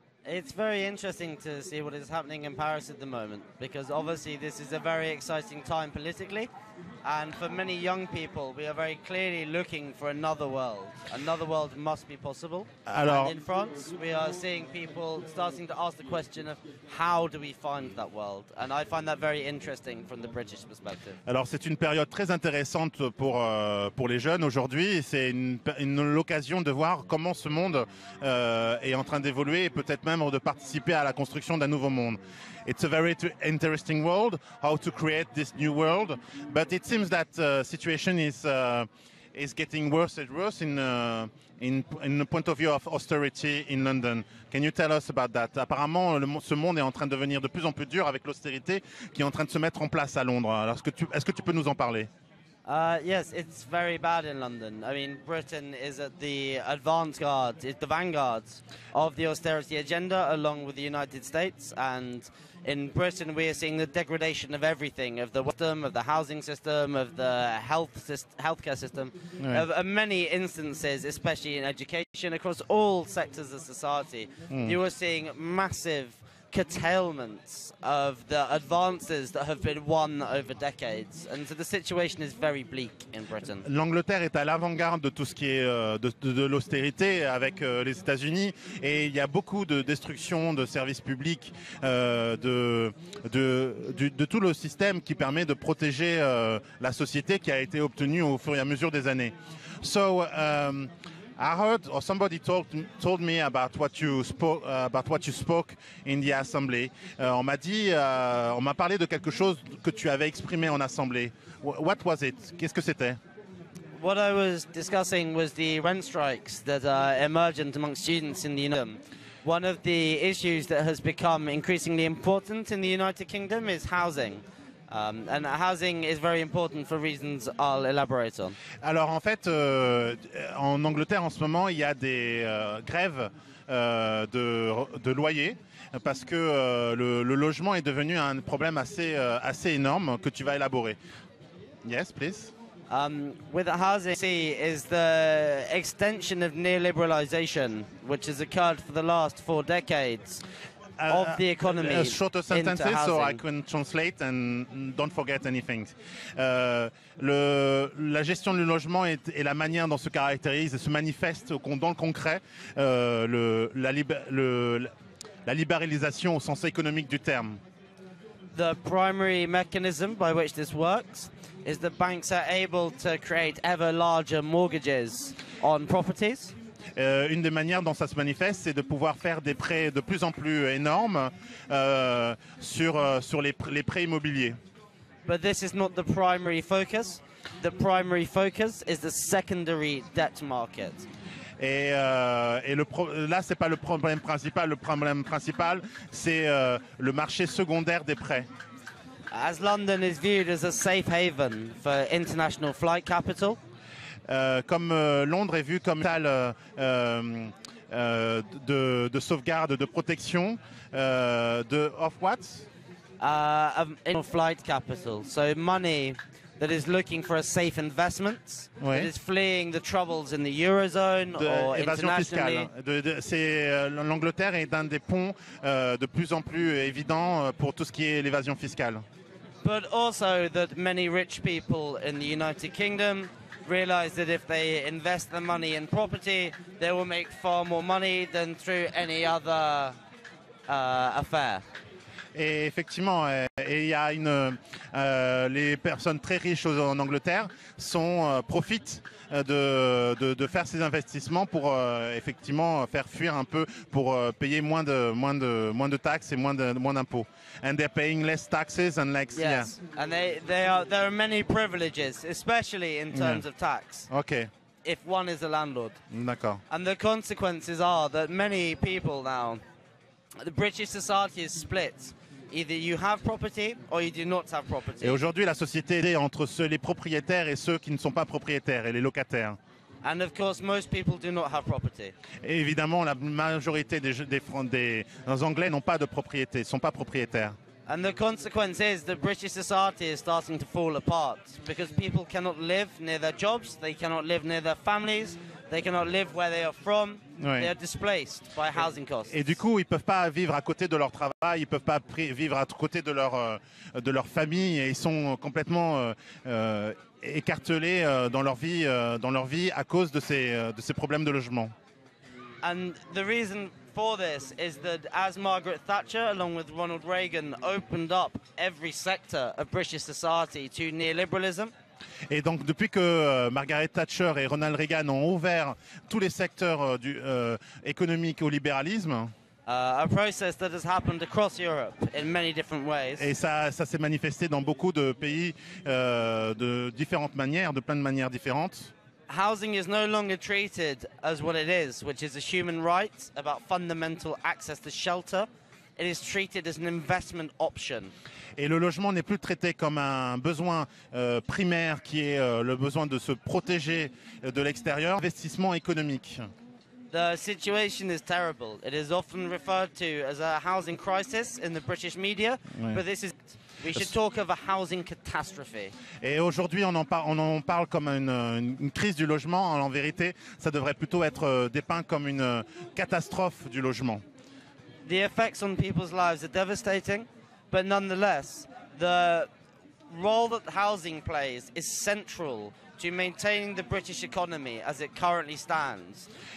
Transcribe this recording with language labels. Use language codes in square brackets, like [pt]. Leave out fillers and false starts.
[en] It's very interesting to see what is happening in Paris at the moment, because obviously this is a very exciting time politically, and for many young people we are very clearly looking for another world. Another world must be possible. [fr] Alors, [en] and in France we are seeing people starting to ask the question of how do we find that world, and I find that very interesting from the British perspective. [fr] Alors c'est une période très intéressante pour les jeunes aujourd'hui, c'est une l'occasion de voir comment ce monde est en train d'évoluer et peut-être même de participer à la construction d'un nouveau monde. [en] It's a very interesting world, how to create this new world, but it seems that situation is getting worse and worse in the point of view of austerity in London. Can you tell us about that? [fr] Apparemment, ce monde est en train de devenir de plus en plus dur avec l'austérité qui est en train de se mettre en place à Londres. Alors, est-ce que tu peux nous en parler? [en] Yes, it's very bad in London. I mean, Britain is at the vanguard of the austerity agenda, along with the United States. And in Britain, we are seeing the degradation of everything, of the system, of the housing system, of the healthcare system, [fr] oui. [en] Of many instances, especially in education, across all sectors of society. Mm. You are seeing massive curtailments of the advances that have been won over decades, and so the situation is very bleak in Britain. [fr] L'Angleterre est à l'avant-garde de tout ce qui est de l'austérité avec les États-Unis, et il y a beaucoup de destruction de services publics, de tout le système qui permet de protéger la société, qui a été obtenu au fur et à mesure des années. [en] So I heard, or somebody told me about what you spoke in the assembly. [fr] On m'a parlé de quelque chose que tu avais exprimé en assemblée. [en] What was it? [fr] Qu'est-ce que c'était? [en] What I was discussing was the rent strikes that are emergent among students in the United Kingdom. One of the issues that has become increasingly important in the United Kingdom is housing. And housing is very important for reasons I'll elaborate on. [fr] Alors en fait, en Angleterre en ce moment, il y a des grèves de loyers parce que le logement est devenu un problème assez énorme que tu vas élaborer. [en] Yes, please. With housing, see, is the extension of neoliberalization, which has occurred for the last four decades. Of the economy. Shorter sentences so I can translate and don't forget anything. [fr] La gestion du logement et la manière dont se caractérise et se manifeste dans le concret la libéralisation au sens économique du terme. [en] The primary mechanism by which this works is that banks are able to create ever larger mortgages on properties. [fr] Une des manières dont ça se manifeste, c'est de pouvoir faire des prêts de plus en plus énormes sur les prêts immobiliers. [en] But this is not the primary focus. The primary focus is the secondary debt market. [fr] Et là, c'est pas le problème principal. Le problème principal, c'est le marché secondaire des prêts. [en] as London is viewed as a safe haven for international flight capital. [fr] Comme Londres est vue comme salle de sauvegarde, de protection, de [en] of what? Of international flight capital. So money that is looking for a safe investment, oui. That is fleeing the troubles in the eurozone [fr] de [en] or évasion internationally. [fr] Fiscale. C'est l'Angleterre est un des ponts de plus en plus évident pour tout ce qui est l'évasion fiscale. [en] But also that many rich people in the United Kingdom realize that if they invest the money in property, they will make far more money than through any other affair. [fr] Et effectivement, et y a une, les personnes très riches en Angleterre sont, profitent de faire ces investissements pour effectivement faire fuir un peu, pour payer moins de taxes et moins d'impôts. [en] And they're paying less taxes and less. Yes, yeah. And there are many privileges, especially in terms of tax. Okay. If one is a landlord. [fr] D'accord. [en] And the consequences are that many people now, the British society is split. Either you have property or you do not have property. [fr] Et aujourd'hui, la société est entre ceux, les propriétaires et ceux qui ne sont pas propriétaires et les locataires. [en] And of course, most people do not have property. [fr] Et évidemment, la majorité des Anglais n'ont pas de propriété, sont pas propriétaires. [en] And the consequence is the British society is starting to fall apart because people cannot live near their jobs, they cannot live near their families. They cannot live where they are from. Oui. They are displaced by housing costs. [fr] Et du coup, ils peuvent pas vivre à côté de leur travail, ils peuvent pas vivre à côté de leur famille, et ils sont complètement écartelés dans leur vie à cause de ces problèmes de logement. [en] And the reason for this is that as Margaret Thatcher, along with Ronald Reagan, opened up every sector of British society to neoliberalism. [fr] Et donc depuis que Margaret Thatcher et Ronald Reagan ont ouvert tous les secteurs économiques au libéralisme, [en] a process that has happened across Europe in many different ways. [fr] Et ça s'est manifesté dans beaucoup de pays de différentes manières, de plein de manières différentes. [en] Housing is no longer treated as what it is, which is a human right about fundamental access to shelter. It is treated as an investment option. [fr] Et le logement n'est plus traité comme un besoin primaire qui est le besoin de se protéger de l'extérieur, investissement économique. [en] The situation is terrible. It is often referred to as a housing crisis in the British media, oui. But this is we should talk of a housing catastrophe. [fr] Et aujourd'hui, on en parle comme une crise du logement, en vérité, ça devrait plutôt être dépeint comme une catastrophe du logement. [en] The effects on people's lives are devastating, but nonetheless, the role that housing plays is central to maintaining the British economy as it currently stands.